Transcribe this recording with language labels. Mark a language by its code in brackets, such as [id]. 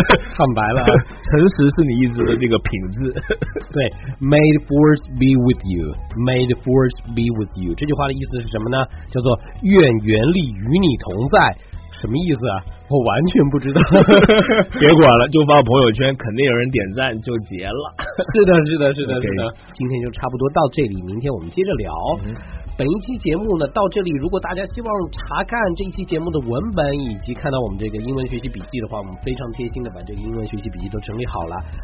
[zh] 坦白了、啊，诚实是你一直的这个品质。 [en] 对 ，May the force be with you. May the force be with you. [zh] 这句话的意思是什么呢？叫做愿原力与你同在。什么意思啊？我完全不知道，别管了，就发朋友圈，肯定有人点赞就结了。是的，是的，是的，是的。 Okay. 今天就差不多到这里，明天我们接着聊。嗯、本一期节目呢到这里，如果大家希望查看这一期节目的文本以及看到我们这个英文学习笔记的话，我们非常贴心的把这个英文学习笔记都整理好了。